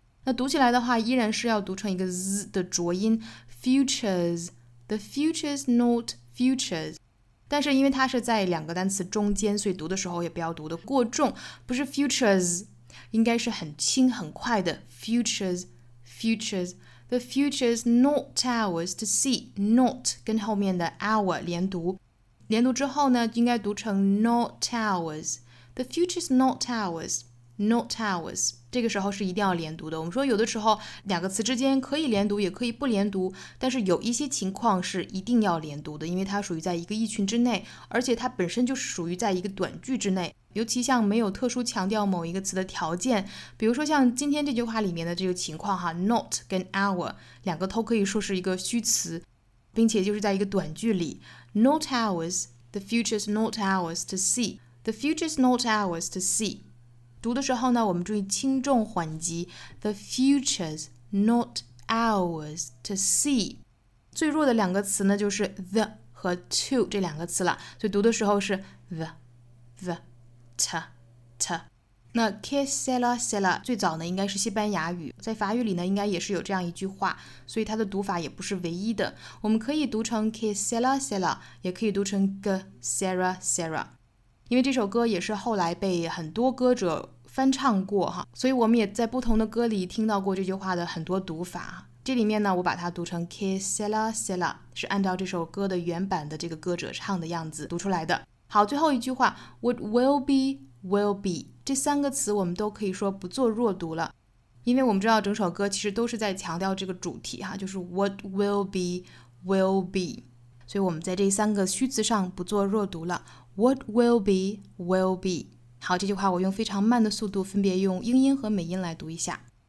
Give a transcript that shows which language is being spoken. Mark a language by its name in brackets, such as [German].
[Chinese] 那读起来的话，依然是要读成一个 z 的浊音 ，futures， [English] the future's not futures。 [Chinese] 但是因为它是在两个单词中间，所以读的时候也不要读的过重，不是 futures， 应该是很轻很快的 futures。 [English] The future's not ours to see， not [Chinese] 跟后面的 [English] our [Chinese] 连读。连读之后呢，应该读成 not ours. [English] The future's not ours. Not ours. [Chinese] 这个时候是一定要连读的。我们说有的时候两个词之间可以连读也可以不连读，但是有一些情况是一定要连读的，因为它属于在一个意群之内，而且它本身就是属于在一个短句之内。尤其像没有特殊强调某一个词的条件，比如说像今天这句话里面的这个情况哈， not 跟 our 两个都可以说是一个虚词，并且就是在一个短句里。 [English] Not ours, the future's not ours to see. The future's not ours to see. [Chinese] 读的时候呢，我们注意轻重缓急。 [English] The future's not ours to see. [Chinese] 最弱的两个词呢，就是 the 和 to 这两个词了。所以读的时候是 the. 那 que sera sera 最早呢，应该是西班牙语，在法语里呢，应该也是有这样一句话，所以它的读法也不是唯一的。我们可以读成 que sera sera， 也可以读成 que sera sera， 因为这首歌也是后来被很多歌者翻唱过哈，所以我们也在不同的歌里听到过这句话的很多读法。这里面呢，我把它读成 que sera sera， 是按照这首歌的原版的这个歌者唱的样子读出来的。好，最后一句话 ， [English] What will be will be。 [Chinese] 这三个词我们都可以说不做弱读了，因为我们知道整首歌其实都是在强调这个主题哈，就是 [English] what will be will be， [Chinese] 所以我们在这三个虚词上不做弱读了， what will be will be。好，这句话我用非常慢的速度分别用英音和美音来读一下。